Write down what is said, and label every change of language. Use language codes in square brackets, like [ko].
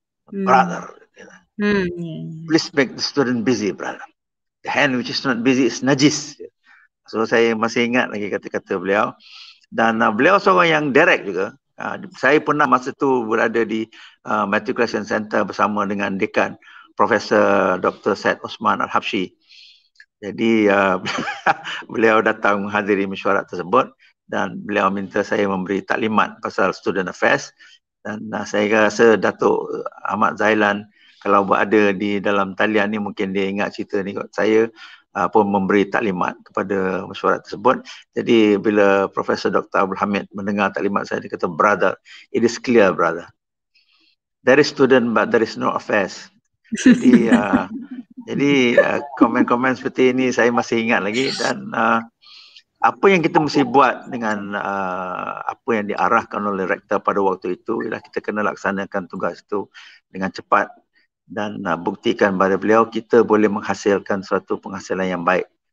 [en] "Brother, please make the student busy, brother. The hand which is not busy is najis." [ms] So saya masih ingat lagi kata-kata beliau. Dan beliau seorang yang direct juga. Saya pernah masa tu berada di Matriculation Center bersama dengan Dekan Profesor Dr. Syed Osman Al-Habshi. Jadi beliau datang menghadiri mesyuarat tersebut dan beliau minta saya memberi taklimat pasal student affairs. Dan saya rasa Datuk Ahmad Zailan kalau berada di dalam talian ni mungkin dia ingat cerita ni kot. Saya pun memberi taklimat kepada mesyuarat tersebut. Jadi bila Profesor Dr. Abdul Hamid mendengar taklimat saya, dia kata, [en] "Brother, it is clear, brother. There is student but there is no affairs." [ms] Jadi komen-komen seperti ini saya masih ingat lagi. Dan apa yang kita mesti buat dengan apa yang diarahkan oleh rektor pada waktu itu ialah kita kena laksanakan tugas itu dengan cepat dan buktikan kepada beliau kita boleh menghasilkan suatu penghasilan yang baik.